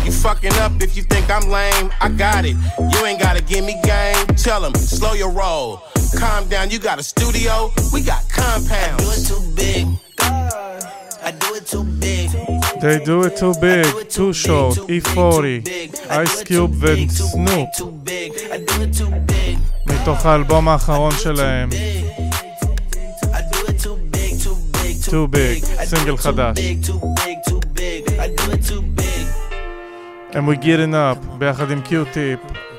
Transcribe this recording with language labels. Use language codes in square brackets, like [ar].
[en] You fucking up if you think I'm lame. I got it. You ain't gotta give me game. Tell him, slow your roll. Calm down, you got a studio. We got compounds. I do it too big. I do it too big. They do it too big, it too short, E-40, Ice Cube וסנופ. [he] מתוך האלבום האחרון שלהם. Too big, סינגל חדש. [en] And we getting up, [he] ביחד עם [en] Q-Tip.